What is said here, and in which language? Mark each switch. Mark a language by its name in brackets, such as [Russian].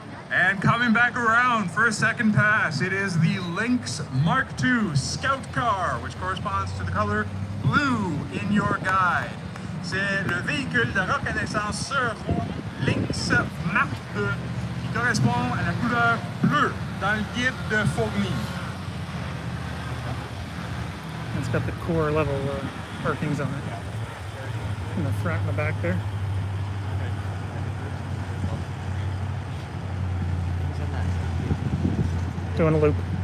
[English] And coming back around for a second pass, it is the Lynx Mark II Scout Car, which corresponds to the color blue in your guide. [French] C'est le véhicule de reconnaissance sur Lynx Mark II, qui correspond à la couleur bleue dans le guide de fourni. [English] It's got the core level markings on it. In the front and the back there. Doing a loop.